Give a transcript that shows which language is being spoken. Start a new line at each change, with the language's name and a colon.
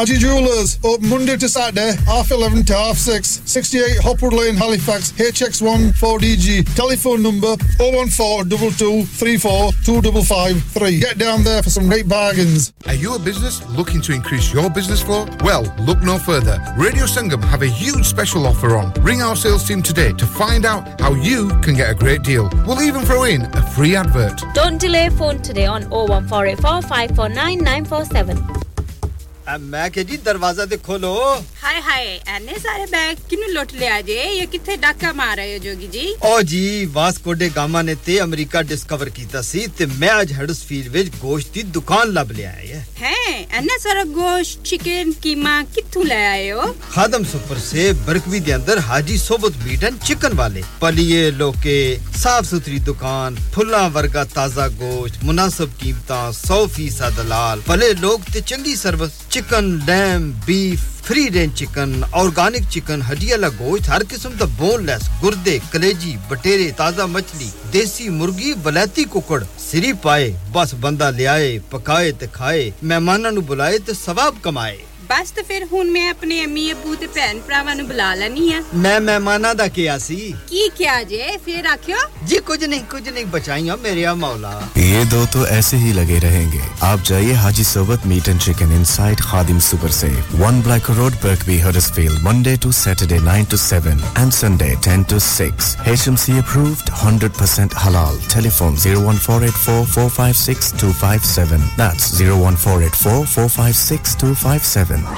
English: Haji jewellers Monday to Saturday half 11 to half 6 68 Hopwood lane Halifax HX1 4DG telephone number 01422342553 get down there for some great bargains are you a business looking to increase your business flow well look no further radio Sangam have a huge special offer on. Ring our sales team today to find out how you can get a great deal. We'll even throw in a free advert. Don't delay, phone today on 01484549947.
Punjabi: اے میں کہ جی دروازہ تے کھولو ہائے ہائے اینے سارے bag کینوں لوٹ لیا جے یہ کتھے ڈاکا مار رہے ہو جوگی جی او جی واسکو ڈے گاما نے تے امریکہ ڈسکور کیتا سی تے میں اج ہڈس فیلڈ وچ گوشت دی دکان لب لے آیا ہیں اینے سارا گوشت چکن کیما کتھوں لے آئے ہو خادم سپر سے برکوی دے اندر حاجی صوبت میٹ اینڈ چکن والے پلیے لوکے صاف ستھری دکان پھلاں ورگا تازہ گوشت مناسب قیمتاں 100% دلال بھلے لوگ تے چنگی service chicken لیم beef free range chicken organic chicken ہڈی والا گوشت ہر قسم دا بون لیس گردے کلیجی بٹیرے تازہ مچھلی دیسی مرغی بلیتی ککڑ سری پائے بس بندہ لیائے پکائے تے کھائے مہماناں نوں بلائے تے ثواب کمائے بس تے پھر ہن میں اپنے امی ابو تے بھن بھراواں نوں بلا لینی ہاں میں مہماناں دا کیا سی کی کیا جے پھر آکھیو جی کچھ نہیں بچائیاں میرے مولا
Urdu: یہ دو تو ایسے ہی لگے رہیں گے آپ جائیے
English: Haji Sohbat meat and chicken inside Khadim super سے one black road Birkby Huddersfield Monday to Saturday 9 to 7 and Sunday 10 to 6 HMC approved 100% halal telephone 01484456257 that's 01484456257